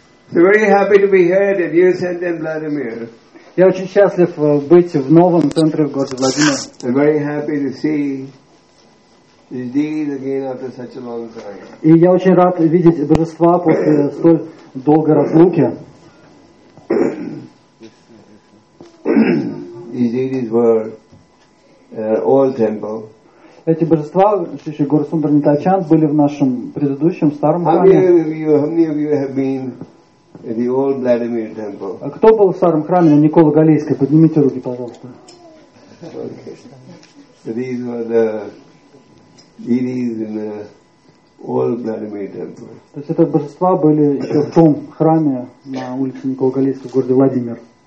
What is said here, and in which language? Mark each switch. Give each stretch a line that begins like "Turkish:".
English: So very happy to be here at New Center in Vladimir.
Russian: Я очень счастлив быть в новом центре в городе Владимир.
English: I'm very happy to see indeed again after such a long time.
Russian: И я очень рад видеть Божества после столь долгой разлуки.
English: Indeed, these were old temple.
Russian: Эти божества, еще Гуру Сундар Нитайчанд, были в нашем предыдущем старом храме. А кто был в старом храме на Николы Галейской? Поднимите руки, пожалуйста.
English: These were the deities in the old Vladimir temple.
Russian: То есть это божества были еще в том храме на улице Николы Галейской в городе Владимир.